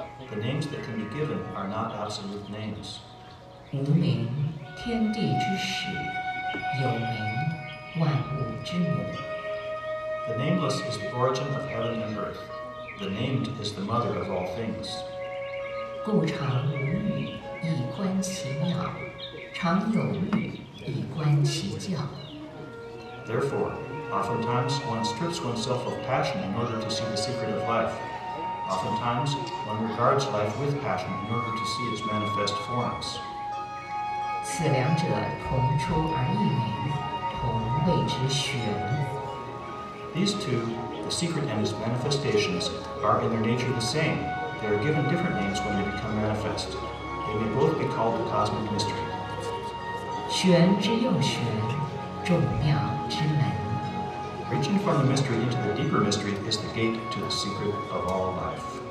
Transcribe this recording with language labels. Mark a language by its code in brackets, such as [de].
[en] The names that can be given are not absolute names. [zh] 无名，天地之始；有名，万物之母。 [en] The nameless is the origin of heaven and earth. The named is the mother of all things. [zh] 故常无欲，以观其妙；常有欲，以观其教。 [en] Therefore, oftentimes one strips oneself of passion in order to see the secret of life. Oftentimes, one regards life with passion in order to see its manifest forms. [zh] 此两者同出而异名，同谓之玄。 [en] These two, the secret and its manifestations, are in their nature the same. They are given different names when they become manifest. They may both be called the cosmic mystery. [zh] 玄之又玄，众妙之门。 [en] Reaching from the mystery into the deeper mystery is the gate to the secret of all life.